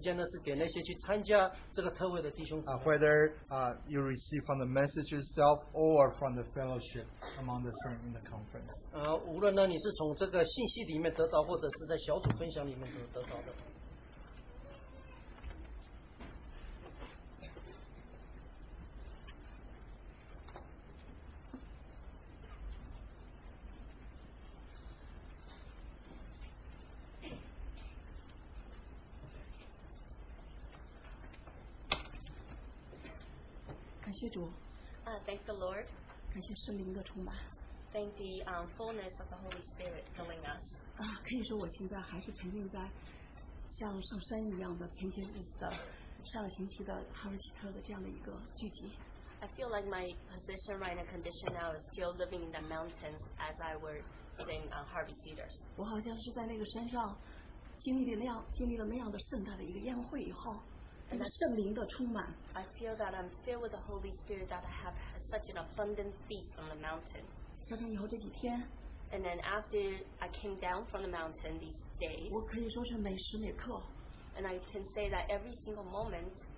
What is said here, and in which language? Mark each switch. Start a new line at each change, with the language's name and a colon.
Chinese: 我们再次提醒了，这个这样子的分享的时间呢，是给那些去参加这个特会的弟兄姊妹。
English: Whether you receive from the message itself or from the fellowship among the saints in the conference.
Chinese: 无论呢，你是从这个信息里面得到，或者是在小组分享里面得到的。
English: Thank the Lord.
Chinese: 感谢圣灵的充满。
English: Thank the fullness of the Holy Spirit filling us.
Chinese: 可以说我现在还是沉浸在像上山一样的前些日子的上个星期的哈维希特的这样的一个聚集。
English: I feel like my position right now, condition now, is still living in the mountains as I was in Harvey Cedars.
Chinese: 我好像是在那个山上经历了那样的盛大的一个宴会以后。圣灵的充满,
English: I feel that I'm filled with the Holy Spirit that I have such an abundant feast on the mountain.
Chinese: 昨天以后这几天,
English: and then after I came down from the mountain these days,
Chinese: 我可以说是每时每刻,
English: and I can say that every single moment,